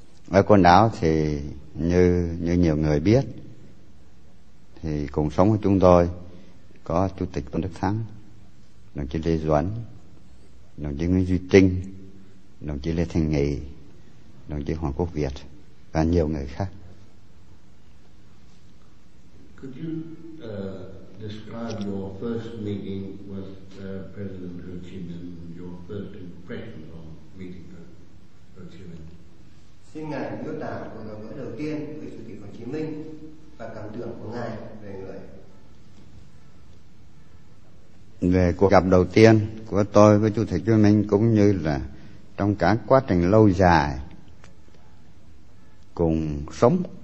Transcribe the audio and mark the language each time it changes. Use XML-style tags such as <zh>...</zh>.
<vi>Ở Côn Đảo thì như nhiều người biết thì cùng sống với chúng tôi có Chủ tịch Tôn Đức Thắng, đồng chí Lê Duẩn, đồng chí Nguyễn Duy Trinh, đồng chí Lê Thanh Nghị, đồng chí Hoàng Quốc Việt và nhiều người khác.</vi> <en>Could you describe your first meeting with President Ho Chi Minh and your first impression of meeting Ho Chi Minh?</en> <vi>Xin ngài miêu tả cuộc gặp gỡ đầu tiên với Chủ tịch Hồ Chí Minh và cảm tưởng của ngài về người. Về cuộc gặp đầu tiên của tôi với Chủ tịch Hồ Chí Minh cũng như là trong cả quá trình lâu dài cùng sống</vi>